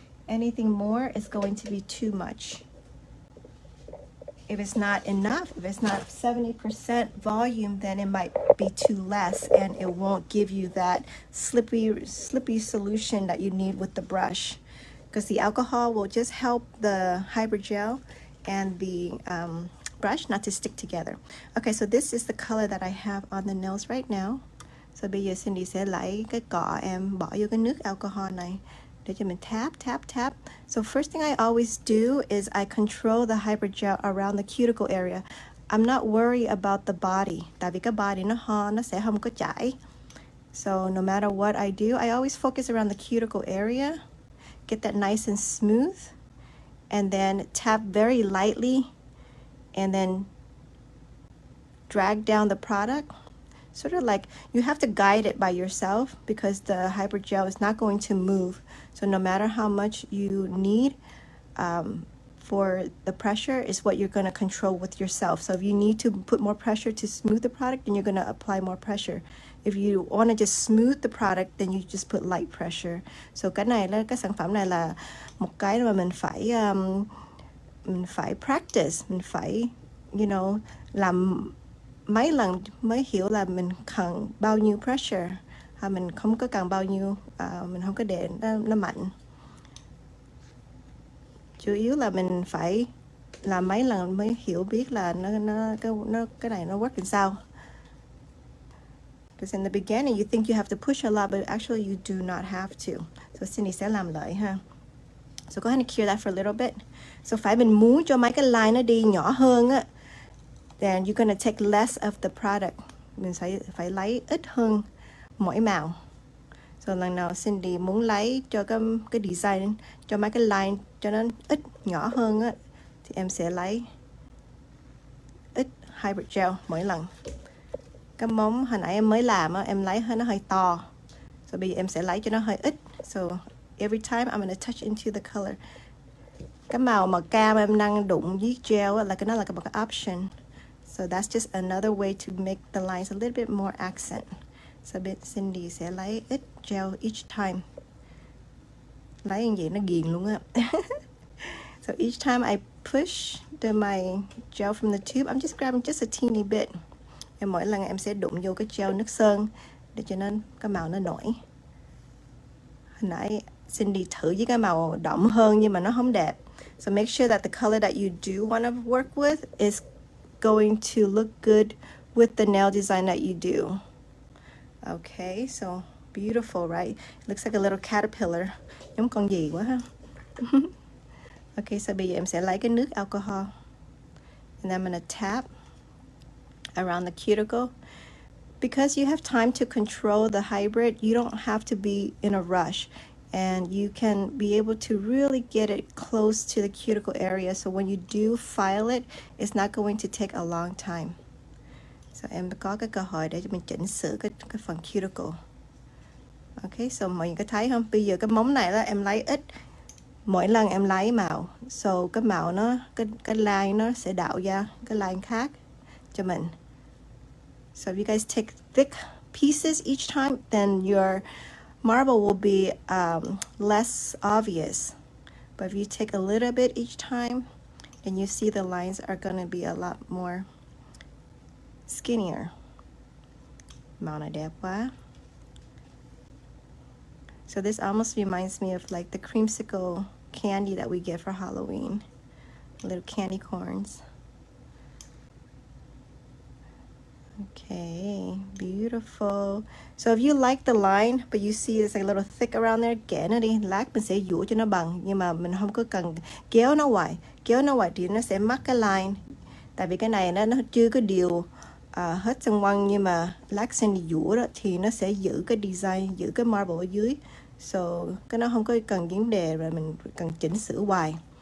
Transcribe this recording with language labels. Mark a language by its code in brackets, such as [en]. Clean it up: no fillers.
[en] Anything more is going to be too much. If it's not enough, if it's not 70% volume, then it might be too less, and it won't give you that slippy solution that you need with the brush. Because the alcohol will just help the hydrogel and the brush not to stick together. Okay, so this is the color that I have on the nails right now. [vi] So bây giờ Cindy sẽ lấy cái cọ em bỏ vô cái nước alcohol này để cho mình tap. [en] So first thing I always do is I control the hydrogel around the cuticle area. I'm not worried about the body. [vi] Tại vì cái body nó sẽ không có chảy. [en] So no matter what I do, I always focus around the cuticle area, get that nice and smooth, and then tap very lightly. And then drag down the product sort of like you have to guide it by yourself because the hypergel is not going to move. So no matter how much you need for the pressure, is what you're going to control with yourself. So if you need to put more pressure to smooth the product, then you're going to apply more pressure. If you want to just smooth the product, then you just put light pressure. [vi] So cái này là cái sản phẩm này là một cái mà mình phải practice, mình phải, [en] you know, [vi] làm mấy lần mới hiểu là mình cần bao nhiêu pressure, hay mình không có cần bao nhiêu, mình không có để nó mạnh. Chủ yếu là mình phải làm mấy lần mới hiểu biết là cái này nó working sao. [en] Because in the beginning, you think you have to push a lot, but actually you do not have to. So [vi] Cindy sẽ làm lại ha. [en] So go ahead and cure that for a little bit. [vi] So phải mình muốn cho mấy cái line nó đi nhỏ hơn á, [en] then you're gonna take less of the product. [vi] Mình phải lấy ít hơn mỗi màu. So lần nào Cindy muốn lấy cho cái design, cho mấy cái line cho nó ít nhỏ hơn á, thì em sẽ lấy ít hybrid gel mỗi lần. Cái móng hồi nãy em mới làm á, em lấy nó hơi to. So bây giờ em sẽ lấy cho nó hơi ít. [en] So every time I'm gonna touch into the color. [vi] Cái màu mà cam em đang đụng với gel á, là cái nó là một cái option. [en] So that's just another way to make the lines a little bit more accent. [vi] So bây giờ Cindy sẽ lấy ít gel [en] each time. [vi] Lấy như vậy nó ghiền luôn á. [en] So each time I push my gel from the tube, I'm just grabbing just a teeny bit. [vi] Em mỗi lần em sẽ đụng vô cái gel nước sơn để cho nên cái màu nó nổi. Hồi nãy Cindy thử với cái màu đậm hơn nhưng mà nó không đẹp. [en] So make sure that the color that you do want to work with is going to look good with the nail design that you do. Okay, so beautiful, right? It looks like a little caterpillar. [vi] Giống con gì quá ha. Okay, so bây giờ em sẽ lấy cái nước alcohol [en] and I'm gonna tap around the cuticle. Because you have time to control the hybrid, you don't have to be in a rush, and you can be able to really get it close to the cuticle area, so when you do file it, it's not going to take a long time. [vi] So em có cái cơ hội để mình chỉnh sửa cái phần cuticle. Okay, so mọi người có thấy không, bây giờ cái móng này là em lấy ít mỗi lần em lấy màu, so cái màu nó cái line nó sẽ đảo ra cái line khác cho mình. [en] So if you guys take thick pieces each time, then your marble will be less obvious. But if you take a little bit each time, then you see the lines are going to be a lot more skinnier. [vi] Màu này đẹp quá. [en] So this almost reminds me of like the creamsicle candy that we get for Halloween. Little candy corns. Okay, beautiful. So if you like the line, but you see it's like a little thick around there, [vi] kẻ nó đi, lát mình sẽ dũa cho nó bằng. Nhưng mà mình không có cần kéo nó ngoài thì nó sẽ mắc cái line. Tại vì cái này nó chưa có điều hết xung quanh, nhưng mà lát xin dũa đó thì nó sẽ giữ cái design, giữ cái marble ở dưới. So cái nó không có cần vấn đề rồi mình cần chỉnh sửa hoài.